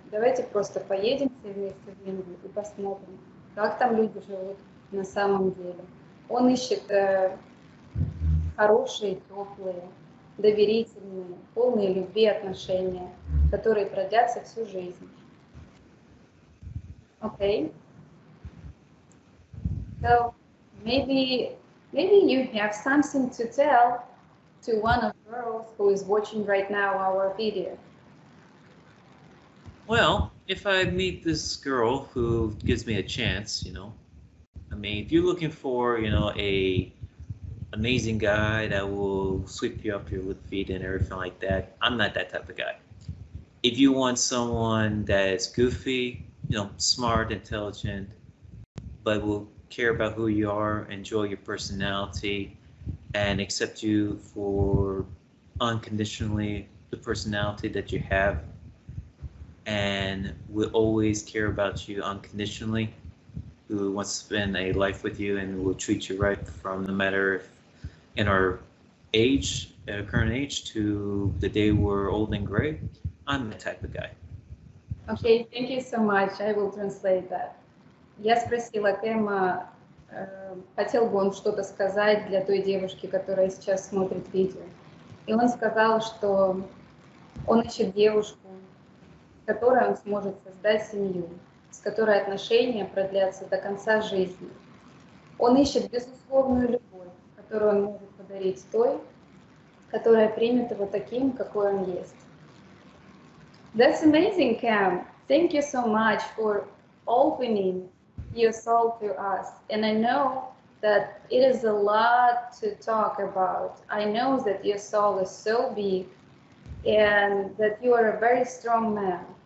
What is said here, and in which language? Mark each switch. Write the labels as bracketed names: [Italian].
[Russian] Давайте просто поедем все вместе в Индию и посмотрим, как там люди живут на самом деле. Он ищет хорошие, теплые, доверительные, полные любви отношения, которые продлятся всю жизнь. [English] Okay. So maybe you have something to tell to one of the girls who is watching right now our video. Well, if I meet this girl who gives me a chance, you know, I mean, if you're looking for, you know, a amazing guy that will sweep you up your feet and everything like that, I'm not that type of guy. If you want someone that is goofy, you know, smart, intelligent, but will care about who you are, enjoy your personality, and accept you for unconditionally the personality that you have, and will always care about you unconditionally, who wants to spend a life with you and will treat you right from the matter if in our age, our current age, to the day we're old and gray, I'm the type of guy. Okay, thank you so much. I will translate that. [Russian] Я спросила Кэма, хотел бы он что-то сказать для той девушки, которая сейчас смотрит видео. И он сказал, что он ищет девушку, с которой он сможет создать семью, с которой отношения продлятся до конца жизни. Он ищет безусловную любовь, которую он может подарить той, которая примет его таким, какой он есть. [English] That's amazing, Cam. Thank you so much for opening your soul to us. And I know that it is a lot to talk about. I know that your soul is so big and that you are a very strong man.